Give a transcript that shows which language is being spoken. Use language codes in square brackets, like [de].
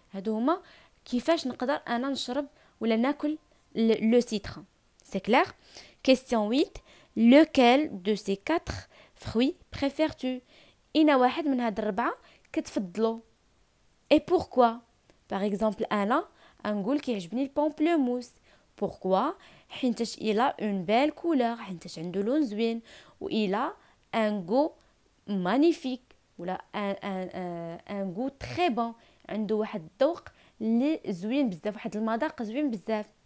[ar] هادو هما كيفاش نقدر انا نشرب ولا ناكل le citron. [fr] C'est clair? Question 8. Lequel de ces quatre fruits préfères-tu? [ar] إنا واحد من هاد الربعة كتفضلو. [fr] Et pourquoi? Par exemple, [ar] انا نقول كيعجبني البومبلوموس. [fr] Pourquoi? [ar] حيتاش [fr] الى اون بيل كولور، [ar] حيتاش عنده لون زوين، و [fr] الى ان غو مانيفيك [ar] ولا [fr] ان غو تري بون، [ar] عنده واحد الذوق لي زوين بزاف، واحد المذاق زوين بزاف.